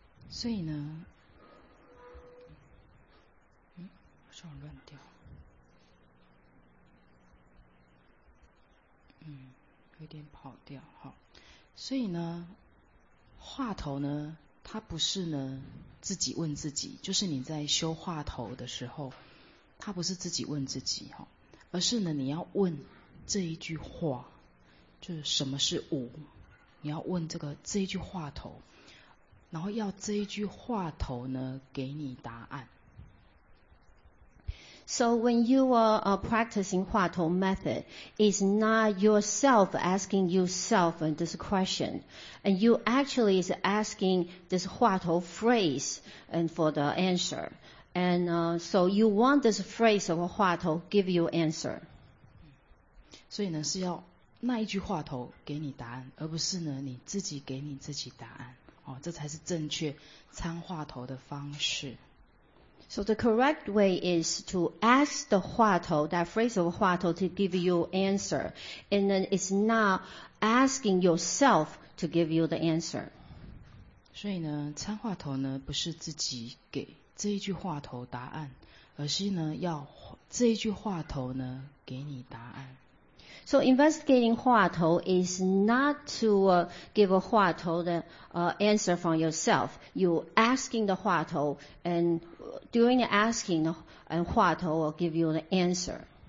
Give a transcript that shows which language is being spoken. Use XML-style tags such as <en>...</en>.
<zh>所以呢有点跑掉，好，所以呢，话头呢，它不是呢自己问自己，就是你在修话头的时候，它不是自己问自己哈，而是呢你要问这一句话，就是什么是无，你要问这个这一句话头，然后要这一句话头呢给你答案。</zh> <en>So when you are practicing Hua Tou method, it's not yourself asking yourself this question. And you actually is asking this Hua Tou phrase and for the answer. And so you want this phrase of Hua Tou give you answer.</en> <zh>所以呢是要那一句话头给你答案，而不是呢你自己给你自己答案。哦，这才是正确参话头的方式。</zh> <en>So the correct way is to ask the Hua Tou, that phrase of Hua Tou, to give you answer. And then it's not asking yourself to give you the answer.</en> <zh>所以呢参话头呢不是自己给这一句话头答案，而是呢要这一句话头呢给你答案。</zh> <en>So investigating Hua Tou is not to give a Hua Tou the answer from yourself. You asking the Hua Tou, and during the asking, and Hua Tou will give you the answer.</en>